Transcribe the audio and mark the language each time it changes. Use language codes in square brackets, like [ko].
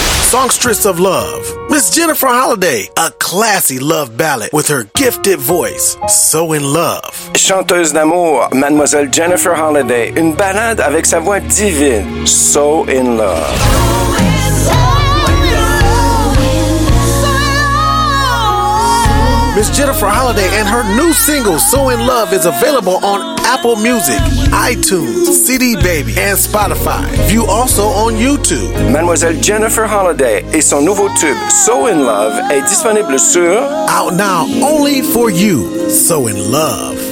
[en] So songstress of love, Miss Jennifer Holliday, a classy love ballad with her gifted voice, So In Love. [fr] Chanteuse d'amour, Mademoiselle Jennifer Holliday, une ballade avec sa voix divine, So In Love. [en] Miss Jennifer Holliday and her new single, So In Love, is available on Apple Music, iTunes, CD Baby, and Spotify. View also on YouTube. [fr] Mademoiselle Jennifer Holliday et son nouveau tube, So In Love, est disponible sur... [en] Out now, only for you, So In Love.